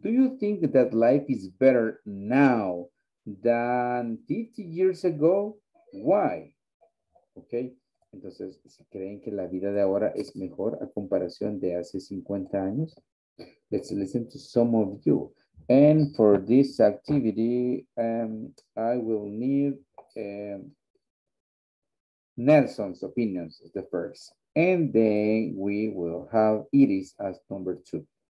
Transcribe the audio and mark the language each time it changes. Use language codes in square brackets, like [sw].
[en] Do you think that life is better now than 50 years ago? Why? Okay. [es] Entonces, ¿se creen que la vida de ahora es mejor a comparación de hace 50 años? [en] Let's listen to some of you. And for this activity, I will need Nelson's opinions as the first. And then we will have Iris as number two.